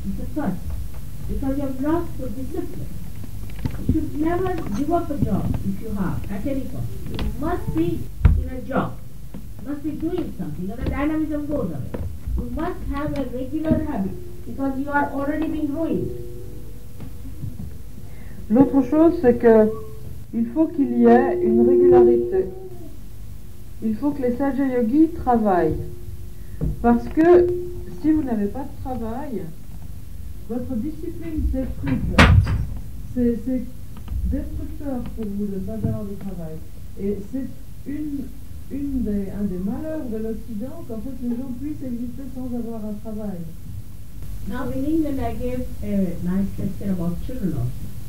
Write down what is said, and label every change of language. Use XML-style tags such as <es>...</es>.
<en>It's a curse, because you have lost the discipline. You should never give up a job if you have, at any cost. You must be in a job, must be doing something, or the dynamism goes away. You must have a regular habit, because you are already being ruined.</en> <fr>L'autre chose, c'est que il faut qu'il y ait une régularité. Il faut que les sages yogis travaillent. Parce que si vous n'avez pas de travail, votre discipline s'effrite. C'est destructeur pour vous de ne pas avoir de travail. Et c'est un des malheurs de l'Occident qu'en fait les gens puissent exister sans avoir un travail.</fr> <en>Now in England I gave a nice lecture about children also.</en>